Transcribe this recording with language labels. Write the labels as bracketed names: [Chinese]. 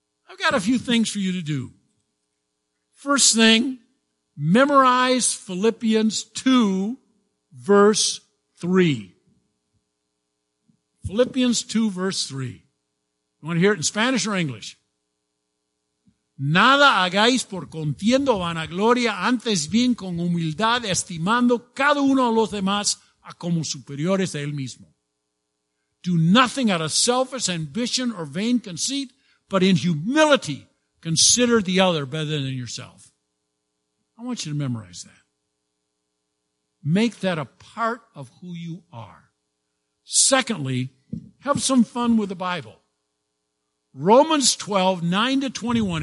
[English] I've got a few things for you to do. First thing, memorize Philippians 2, verse 3. Philippians 2, verse 3. You want to hear it in Spanish or English? [Spanish] Nada hagáis por contienda o vanagloria, antes bien con humildad, estimando cada uno a los demás a como superiores a él mismo. [English] Do nothing out of selfish ambition or vain conceit, but in humility consider the other better than yourself. I want you to memorize that. Make that a part of who you are. Secondly, have some fun with the Bible. Romans 12, 9 to 21.